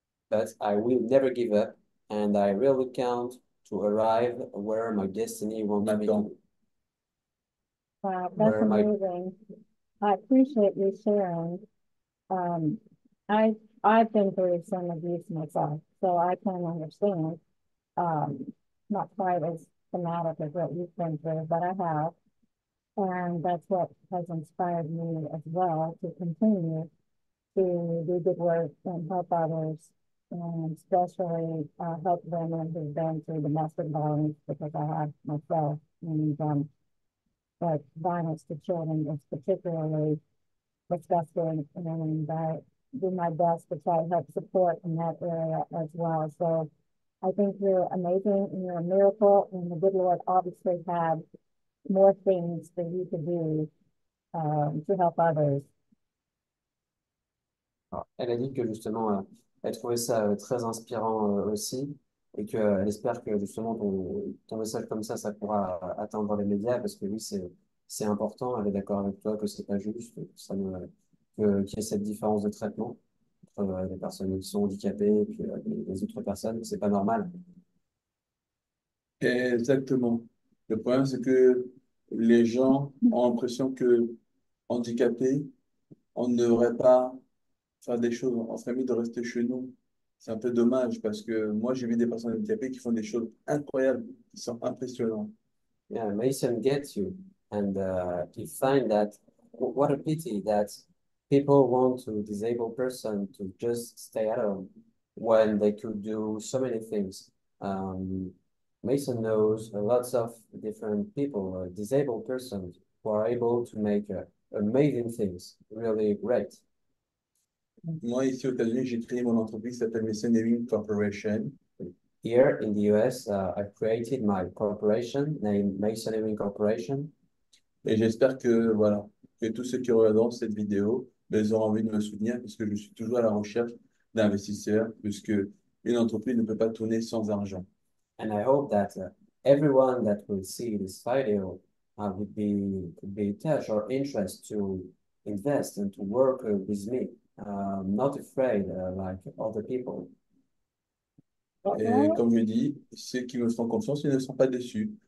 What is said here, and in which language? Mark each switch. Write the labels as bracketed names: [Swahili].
[English] But I will never give up and I really count to arrive where my destiny wants me [French] Maintenant. [English] to. Wow, that's Where my amazing. I appreciate you sharing. I've been through some abuse myself, so I can understand. Not quite as dramatic as what you've been through, but I have. And that's what has inspired me as well to continue to do good work and help others, and especially help women who've been through domestic violence, because I have myself. And but violence to children is particularly disgusting, and I do my best to try to help support in that area as well. So I think you're amazing and you're a miracle, and the good Lord obviously had more things that you could do to help others. [French] Elle a dit que justement, elle trouvait ça très inspirant aussi et qu'elle espère que justement ton message comme ça pourra atteindre les médias parce que oui, c'est important. Elle est d'accord avec toi que c'est pas juste qu'il y ait cette différence de traitement entre les personnes qui sont handicapées et puis les autres personnes. C'est pas normal. Exactement. Le problème, c'est que les gens ont l'impression que handicapés, on ne devrait pas faire des choses. On serait mieux de rester chez nous. C'est un peu dommage parce que moi, j'ai vu des personnes handicapées qui font des choses incroyables, qui sont impressionnantes. [English] Yeah, Mason gets you, and he find that what a pity that people want to disabled person to just stay at home when they could do so many things. Mason knows lots of different people, disabled persons who are able to make amazing things, really great. [French] Moi, ici aux États-Unis, j'ai créé mon entreprise qui s'appelle Ewing Corporation. [English] Here in the US, I created my corporation named Masonry Corporation. [French] Et j'espère que, voilà, que tous ceux qui regardent cette vidéo, ils auront envie de me soutenir parce que je suis toujours à la recherche d'investisseurs, puisque une entreprise ne peut pas tourner sans argent. [English] And I hope that everyone that will see this video could be touched or interested to invest and to work with me, not afraid like other people. [French] Et comme je dis, ceux qui me font confiance, ils ne sont pas déçus.